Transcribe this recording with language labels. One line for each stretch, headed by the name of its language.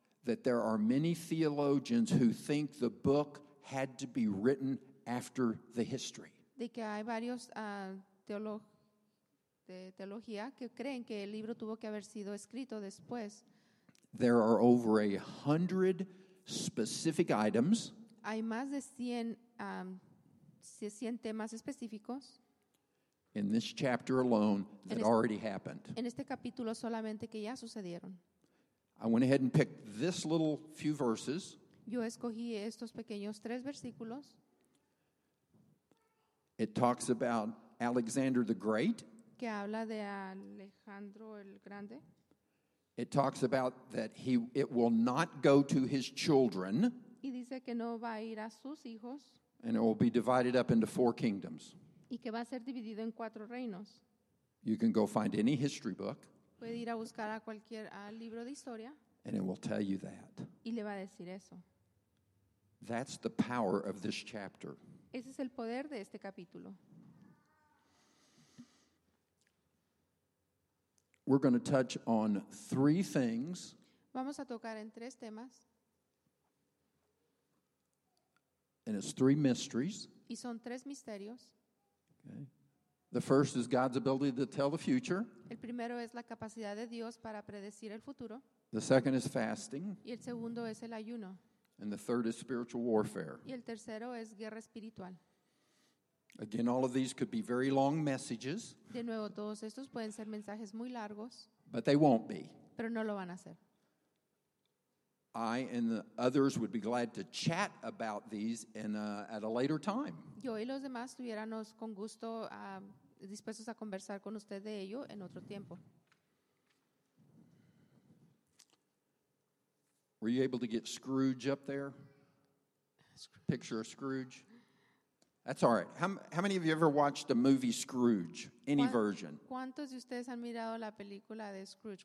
English: That there are many theologians who think the book had to be written after the history.
Spanish: De que hay varios teología que creen que el libro tuvo que haber sido escrito después.
English: There are over 100 specific items.
Spanish: Hay más de 100 temas específicos.
English: in this chapter alone that already happened.
Spanish: En este capítulo solamente que ya sucedieron.
English: I went ahead and picked this little few verses.
Spanish: Yo escogí estos pequeños tres versículos.
English: It talks about Alexander the Great.
Spanish: Que habla de Alejandro el Grande.
English: It talks about that it will not go to his children.
Spanish: Y dice que no va a ir a sus hijos.
English: And it will be divided up into four kingdoms.
Spanish: Y que va a ser dividido en cuatro reinos.
English: You can go find any history book.
Spanish: Puede ir a buscar a cualquier libro de historia.
English: And it will tell you that.
Spanish: Y le va a decir eso.
English: That's the power of this chapter.
Spanish: Ese es el poder de este capítulo.
English: We're going to touch on three things.
Spanish: Vamos a tocar en tres temas.
English: And it's three mysteries.
Spanish: Y son tres misterios.
English: Okay. The first is God's ability to tell the future.
Spanish: El primero es la capacidad de Dios para predecir el futuro.
English: The second is fasting.
Spanish: Y el segundo es el ayuno.
English: And the third is spiritual warfare.
Spanish: Y el tercero es guerra espiritual.
English: Again, all of these could be very long messages.
Spanish: De nuevo, todos estos pueden ser mensajes muy largos.
English: But they won't be.
Spanish: Pero no lo van a hacer.
English: I and the others would be glad to chat about these at a later time.
Spanish: Yo y los demás estuviéramos con gusto dispuestos a conversar con usted de ello en otro tiempo.
English: Were you able to get Scrooge up there? Picture of Scrooge. That's all right. How many of you ever watched the movie Scrooge? Any version?
Spanish: ¿Cuántos de ustedes han mirado la película de Scrooge?